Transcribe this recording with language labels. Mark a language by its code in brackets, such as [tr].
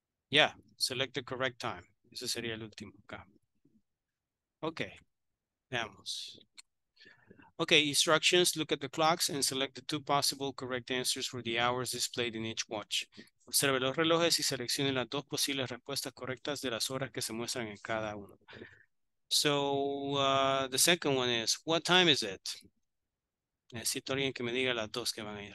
[en] Yeah, select the correct time. [es] Ese sería el último acá. Okay, veamos. [en] Okay, instructions, look at the clocks and select the two possible correct answers for the hours displayed in each watch. [es] Observe los relojes y seleccione las dos posibles respuestas correctas de las horas que se muestran en cada uno. [en] So, the second one is, what time is it? [es] Necesito alguien que me diga las dos que van a ir.